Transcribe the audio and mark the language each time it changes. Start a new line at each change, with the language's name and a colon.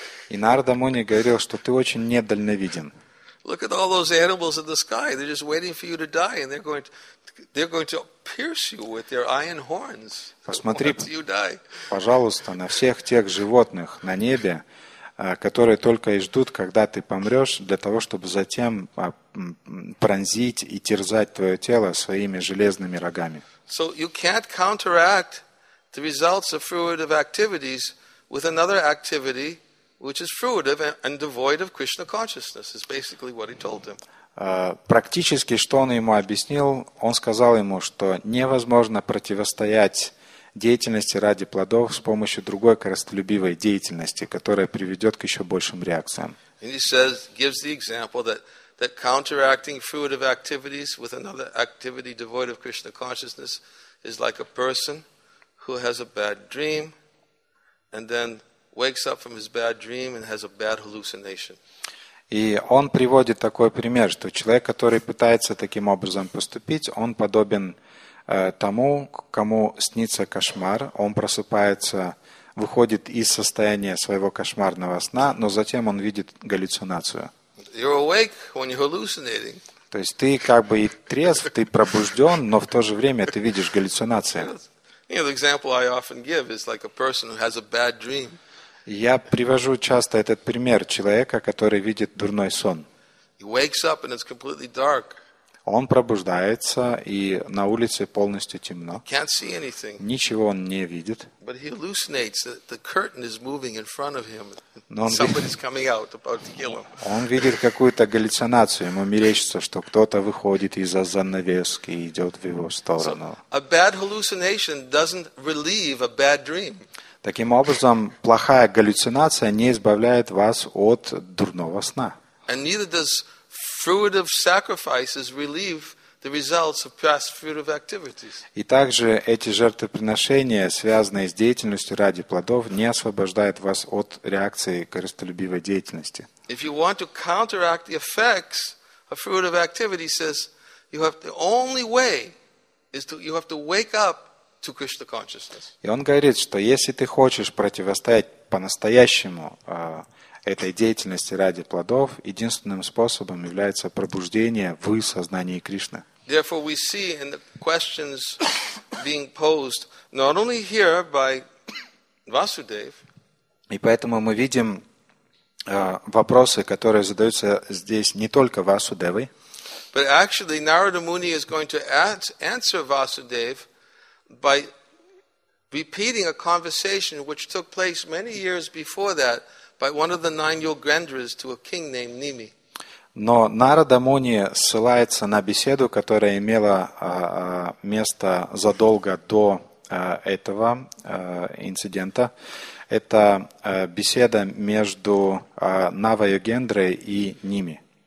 Russian: И Нарада Муни говорил, что ты очень недальновиден.
English: Look at all those animals in the sky. They're just waiting for you to die, and they're going to pierce you with their iron horns.
Russian: Посмотри, пожалуйста, на всех тех животных на небе, которые только и ждут, когда ты помрешь, для того, чтобы затем пронзить и терзать твое тело своими железными рогами.
English: So you can't counteract the results of fruitive activities with another activity which is fruitive and devoid of Krishna consciousness, is basically what he told them.
Russian: Практически, что он ему объяснил, он сказал ему, что невозможно противостоять деятельности ради плодов с помощью другой корыстолюбивой деятельности, которая приведет к еще большим реакциям.
English: And he says, gives the example that counteracting fruitive activities with another activity devoid of Krishna consciousness is like a person who has a bad dream and then wakes up from his bad dream and has a bad hallucination.
Russian: И он приводит такой пример, что человек, который пытается таким образом поступить, он подобен тому, кому снится кошмар, он просыпается, выходит из состояния своего кошмарного сна, но затем он видит галлюцинацию.
English: You're awake when you're hallucinating.
Russian: То есть ты как бы и трезв, ты пробужден, но в то же время ты видишь галлюцинации.
English: You know, the example I often give is like a person who has a bad dream
Russian: Я привожу часто этот пример человека, который видит дурной сон.
English: He wakes up and it's completely dark.
Russian: Он пробуждается, и на улице полностью темно.
English: Can't see anything.
Russian: Ничего он не видит.
English: But he hallucinates that the curtain is moving in front of him. Somebody's coming out about to kill him.
Russian: Он видит какую-то галлюцинацию, ему мерещится, что кто-то выходит из-за занавески и идет в его сторону.
English: So, a bad hallucination doesn't relieve a bad dream.
Russian: Таким образом, плохая галлюцинация не избавляет вас от дурного сна.
English: And neither does fruitive sacrifices relieve the results of past fruitive activities.
Russian: И также эти жертвоприношения, связанные с деятельностью ради плодов, не освобождают вас от реакции корыстолюбивой деятельности.
English: If you want to counteract the effects of fruitive activity, says you have the only way is to you have to wake up to Krishna consciousness.
Russian: И он говорит, что если ты хочешь противостоять по-настоящему этой деятельности ради плодов, единственным способом является пробуждение в сознании Кришны.
English: Therefore, we see in the questions being posed not only here by Vasudev.
Russian: И поэтому мы видим вопросы, которые задаются здесь не только Васудевой.
English: But actually, Narada Muni is going to answer Vasudev by repeating a conversation which took place many years before that by one of the nine Yogendras to a king named Nimi.
Russian: Но Нарада Муни ссылается на беседу, которая имела место задолго до этого инцидента. Это беседа между Нава Йогендрой и Ними.